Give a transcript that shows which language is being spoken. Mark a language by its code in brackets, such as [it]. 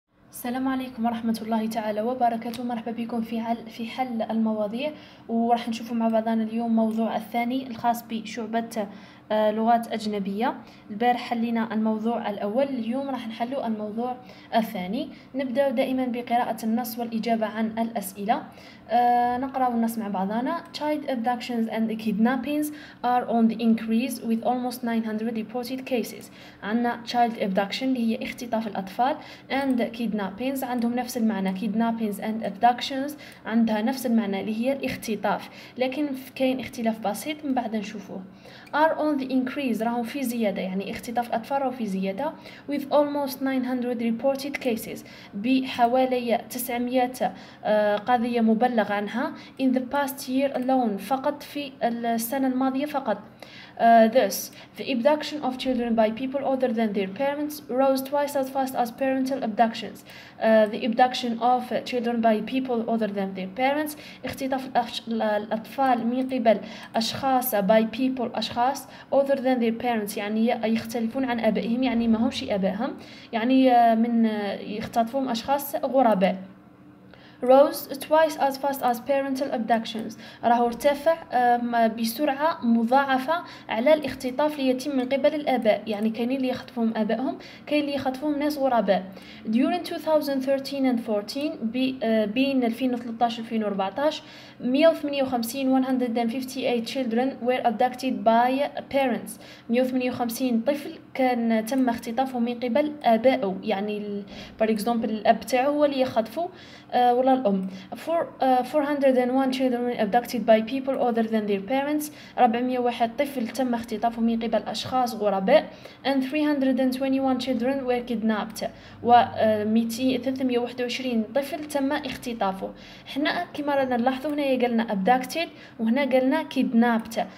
[ar] السلام عليكم ورحمة الله تعالى وبركاته. مرحبا بكم في حل المواضيع، وراح نشوفوا مع بعضنا اليوم موضوع الثاني الخاص بشعبة لغات أجنبية. البارح حلينا الموضوع الأول، اليوم راح نحلو الموضوع الثاني. نبدأ دائما بقراءة النص والإجابة عن الأسئلة. نقرأ النص مع بعضنا. [en] Child abductions and kidnappings are on the increase with almost 900 reported cases. [ar] عندنا [en] child abduction [ar] اللي هي اختطاف الأطفال، [en] and kidnappings [ar] عندهم نفس المعنى. [en] Kidnappings and abductions [ar] عندها نفس المعنى اللي هي الاختطاف، لكن كاين اختلاف بسيط من بعد نشوفه. [en] Are on the increase [ar] راهم في زيادة، يعني اختطاف الأطفال راهم في زيادة. [en] With almost 900 reported cases [ar] بحوالي 900 قضية مبلغ عنها. [en] In the past year alone [ar] فقط في السنة الماضية فقط. [en] Thus, the abduction of children by people other than their parents rose twice as fast as parental abductions. The abduction of children by people other than their parents, [ar] اختطاف الأطفال من قبل أشخاص [en] by people [ar] أشخاص [en] other than their parents، [ar] يعني يختلفون عن آبائهم، يعني ما همش آبائهم، يعني من يختطفهم أشخاص غرباء. [en] Rose twice as fast as parental abductions. [ar] راهو ارتفع بسرعة مضاعفة على الاختطاف اللي يتم من قبل الآباء، يعني كاين اللي يخطفهم آبائهم، كاين اللي يخطفهم ناس غرباء. [en] During 2013 and 14 [ar] بين 2013 و2014 [en] 158 158 children were abducted by parents. [ar] 158 طفل كان تم اختطافه من قبل آبائه، يعني [en] for example [ar] الأب تاعه هو اللي يخطفه ولا الأم. [en] 401 children abducted by people other than their parents. [ar] 401 طفل تم اختطافه من قبل أشخاص غرباء. [en] And 321 children were kidnapped. [ar] و 321 طفل تم اختطافه. حنا كما رانا نلاحظوا هنا قالنا abducted وهنا قالنا kidnapped.